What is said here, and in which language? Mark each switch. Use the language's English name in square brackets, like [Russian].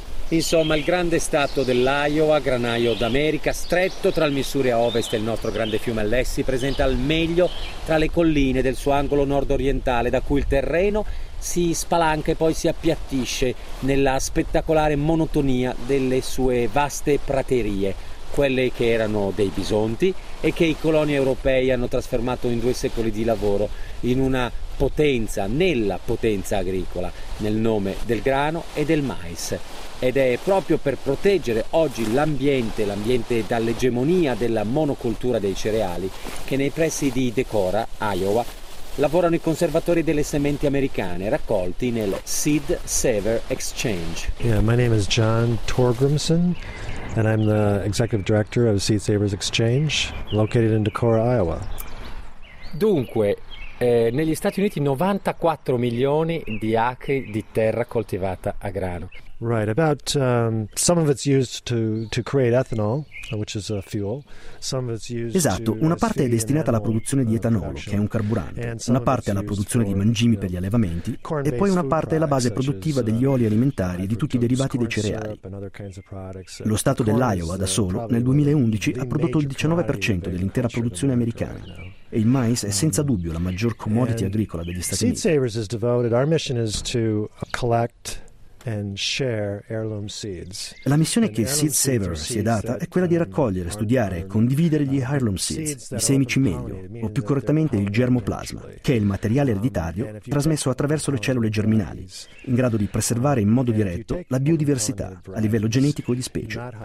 [Italian] Insomma, il grande stato dell'Iowa, granaio d'America, stretto tra il Missouri a ovest e il nostro grande fiume all'est, si presenta al meglio tra le colline del suo angolo nord-orientale, da cui il terreno si spalanca e poi si appiattisce nella spettacolare monotonia delle sue vaste praterie, quelle che erano dei bisonti e che i coloni europei hanno trasformato in due secoli di lavoro in una potenza, nella potenza agricola, nel nome del grano e del mais. Ed è proprio per proteggere oggi l'ambiente dall'egemonia della monocoltura dei cereali che nei pressi di Decorah, Iowa, lavorano i conservatori delle sementi americane raccolti nel Seed Saver Exchange. [English] Yeah, my name is John Torgrimson and I'm the executive director of Seed Savers Exchange located in Decorah, Iowa. [Italian] Dunque, negli Stati Uniti 94 milioni di acri di terra coltivata a grano. [English] Right, about some of it's used to create ethanol, which is a fuel. Some of it's used. [Italian] Esatto, una parte è destinata alla produzione di etanolo, che è un carburante, una parte alla produzione di mangimi per gli allevamenti e poi una parte è la base produttiva degli oli alimentari e di tutti i derivati dei cereali. Lo stato dell'Iowa da solo nel 2011 ha prodotto il 19% dell'intera produzione americana. E il mais è senza dubbio la maggior commodity agricola degli Stati Uniti. [English] Seed Savers is devoted, our mission is to collect [Italian] La missione che Seed Savers si è data è quella di raccogliere, studiare e condividere gli heirloom seeds, i semi cimelio, o più correttamente il germoplasma, che è il materiale ereditario trasmesso attraverso le cellule germinali, in grado di preservare in modo diretto la biodiversità a livello genetico di specie.